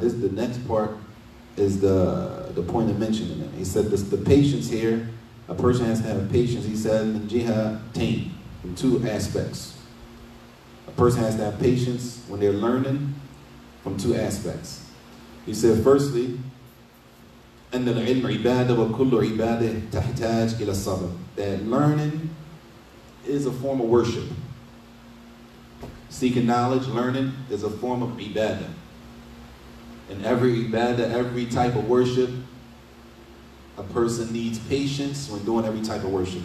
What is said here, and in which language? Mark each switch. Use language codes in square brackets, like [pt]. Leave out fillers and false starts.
[en] This, the next part is the point of mentioning it. He said, this, the patience here, a person has to have patience, he said, in jihatain, in two aspects. A person has to have patience when they're learning from two aspects. He said, firstly, [ar] أن العلم عبادة وكل عبادة تحتاج إلى الصبر. [en] That learning is a form of worship. Seeking knowledge, learning is a form of ibadah. And every ibadah, every type of worship, a person needs patience when doing every type of worship.